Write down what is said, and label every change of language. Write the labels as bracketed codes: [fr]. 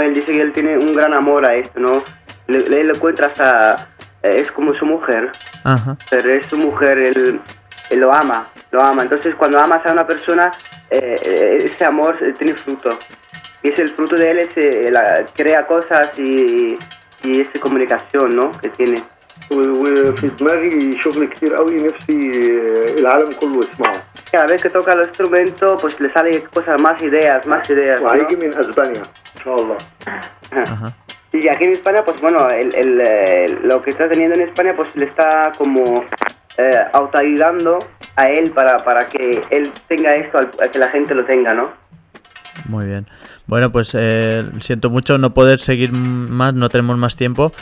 [es] Él dice que él tiene un gran amor a esto, ¿no? Él lo encuentra hasta, es como su mujer. Ajá. Pero es su mujer, él lo ama, lo ama. Entonces cuando amas a una persona, ese amor tiene fruto. Y es el fruto de él, crea cosas y esa comunicación, ¿no? Que tiene. [ar] وفي دماغي شغل كتير قوي نفسي العالم كله يسمعه. [es] Cada vez que toca el instrumento, pues le sale cosas, más ideas. [ar] وهيجي من اسبانيا ان شاء الله. [es] Y aquí en España, pues bueno, lo que está teniendo en España, pues le está como autoayudando a él para que él tenga esto, a que la gente lo tenga, ¿no? Muy bien. Bueno, pues siento mucho no poder seguir más, no tenemos más tiempo.